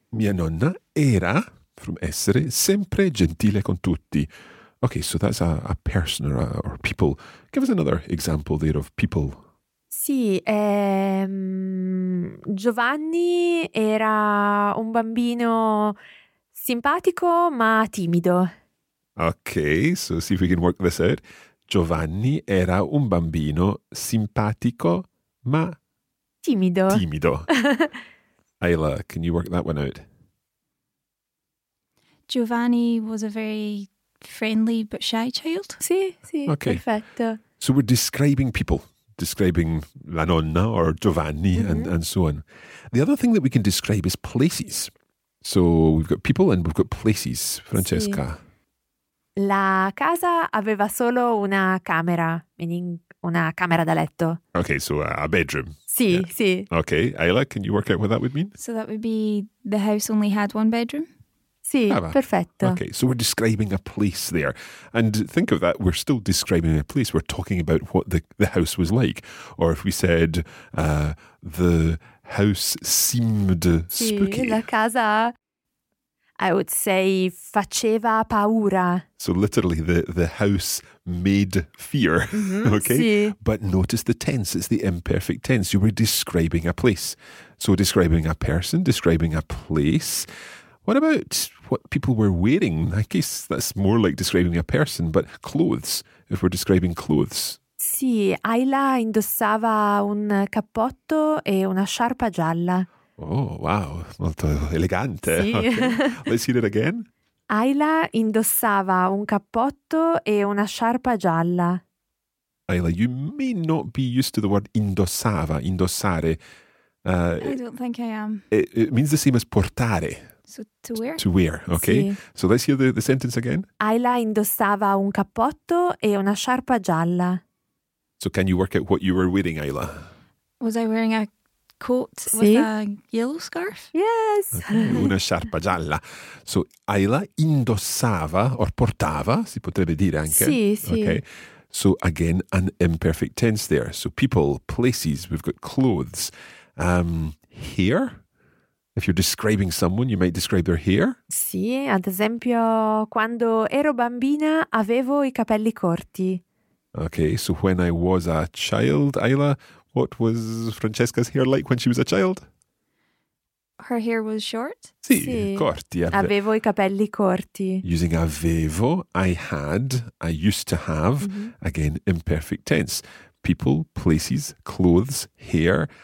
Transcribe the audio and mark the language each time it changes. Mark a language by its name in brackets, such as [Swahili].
[Italian] Mia nonna era, from essere, sempre gentile con tutti. [English] Okay, so that's a person or people. Give us another example there of people. [Italian] Sì, Giovanni era un bambino simpatico ma timido. [English] Okay, so see if we can work this out. [Italian] Giovanni era un bambino simpatico ma timido. [English] Timido. Ayla, can you work that one out? Giovanni was a very friendly but shy child. [Italian] Sì, sì, [English] okay. [Italian] Perfetto. [English] So we're describing people. Describing la nonna or Giovanni, mm-hmm. and so on. The other thing that we can describe is places. So we've got people and we've got places. Francesca. [Italian] Sì. La casa aveva solo una camera, meaning una camera da letto. [English] Okay, so a bedroom. [Italian] Sì, yeah. Sì. [English] Okay, Ayla, can you work out what that would mean? So that would be the house only had one bedroom. [Italian] Sì, perfetto. [English] Okay, so we're describing a place there. And think of that, we're still describing a place. We're talking about what the house was like. Or if we said, the house seemed spooky. [Italian] Sì, la casa, [English] I would say, [Italian] faceva paura. [English] So literally, the house made fear, mm-hmm, okay? [Italian] Sì. [English] But notice the tense, it's the imperfect tense. You were describing a place. So describing a person, describing a place. What about what people were wearing? I guess that's more like describing a person, but clothes, if we're describing clothes. [Italian] Sì, Ayla indossava un cappotto e una sciarpa gialla. [English] Oh, wow, [Italian] molto elegante. Sì. [English] Okay. Let's hear it again. [Italian] Ayla indossava un cappotto e una sciarpa gialla. [English] Ayla, you may not be used to the word indossava, indossare. I don't think I am. It means the same as portare. So to wear. To wear, okay. [Italian] Sì. [English] So let's hear the sentence again. [Italian] Ayla indossava un cappotto e una sciarpa gialla. [English] So can you work out what you were wearing, Ayla? Was I wearing a coat, [Italian] sì, [English] with a yellow scarf? Yes. [Italian] Okay. Una sciarpa gialla. So Ayla indossava or portava, si potrebbe dire anche. Sì, sì. [English] Okay. So again, an imperfect tense there. So people, places, we've got clothes. Hair? If you're describing someone, you might describe their hair. [Italian] Sì, ad esempio, quando ero bambina avevo i capelli corti. [English] Okay, so when I was a child, Ayla, what was Francesca's hair like when she was a child? Her hair was short. [Italian] Sì, sì. Corti. Avevo i capelli corti. [English] Using avevo, I had, I used to have, mm-hmm. Again, imperfect tense. People, places, clothes, hair.